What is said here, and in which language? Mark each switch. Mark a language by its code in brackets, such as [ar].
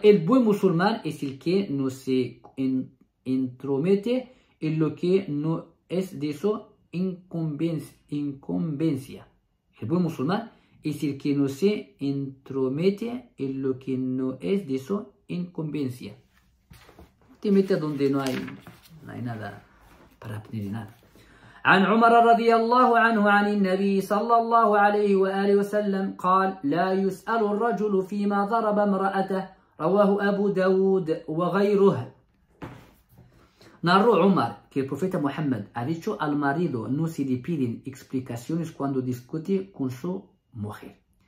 [es] El buen musulman es el que no se intromete en lo que no es de su incumbencia. El buen musulman es el que no se intromete en lo que no es de su incumbencia. Te metes donde no hay nada para pedir nada. [ar] عن عمر رضي الله عنه عن النبي صلى الله عليه وآله وسلم قال لا يسأل الرجل فيما ضرب امرأته رواه أبو داود وغيره. نرى عمر [es] que el profeta Muhammad ha dicho al marido no se le piden explicaciones cuando discute con su mujer.